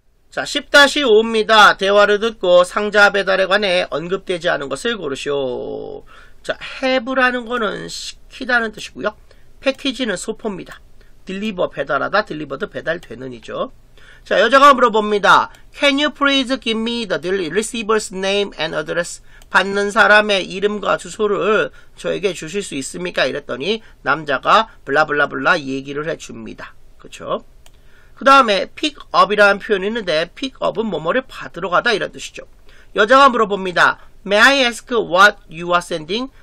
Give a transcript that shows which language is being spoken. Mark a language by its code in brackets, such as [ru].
[ko] 자 10-5입니다. 대화를 듣고 상자 배달에 관해 언급되지 않은 것을 고르시오. 자 have라는 거는 시키다는 뜻이고요. 패키지는 소포입니다. 딜리버 배달하다 딜리버드 배달되는이죠. 자 여자가 물어봅니다. [en] Can you please give me the receiver's name and address? [ko] 받는 사람의 이름과 주소를 저에게 주실 수 있습니까? 이랬더니 남자가 블라블라블라 얘기를 해줍니다. 그렇죠? 그 다음에 pick up이라는 표현이 있는데 pick up은 뭐뭐를 받으러 가다 이런 뜻이죠. 여자가 물어봅니다. [en] May I ask what you are sending?